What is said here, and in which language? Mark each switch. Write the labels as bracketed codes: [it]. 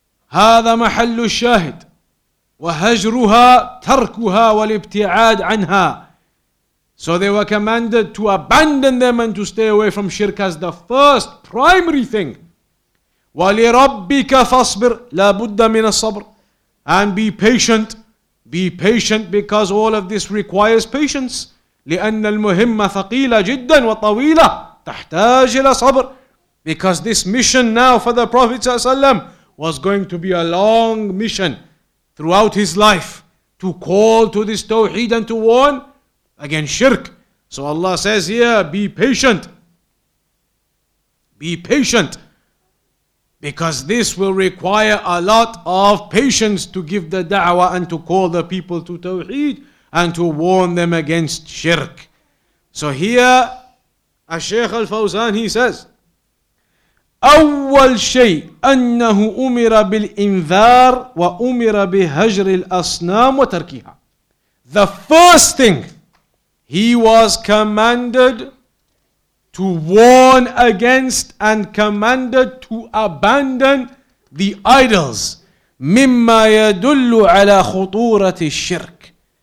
[ar] هذا محل الشاهد وهجرها تركها والابتعاد عنها. [en] So they were commanded to abandon them and to stay away from shirk as the first primary thing. [ar] وَلِرَبِّكَ فَصْبِرْ لَابُدَّ مِنَ الصَّبْرِ. [en] And be patient. Be patient because all of this requires patience. [ar] لِأَنَّ الْمُهِمَّ ثَقِيلَ جِدًّا وَطَوِيلَ تَحْتَاجِ لَصَبْرِ. [en] Because this mission now for the Prophet ﷺ was going to be a long mission throughout his life to call to this tawheed and to warn against shirk. So Allah says here, be patient. Be patient. Because this will require a lot of patience to give the da'wah and to call the people to tawheed and to warn them against shirk. So here, [ar] Al-Shaykh Al-Fawzan, [en] he says, [ar] أول شيء أنه أمر بالإنذار وأمر بهجر الأصنام وتركها. [en] The first thing, he was commanded to warn against and commanded to abandon the idols. [ar] مِمَّا يَدُلُّ عَلَى خُطُورَةِ الشِّرْكِ.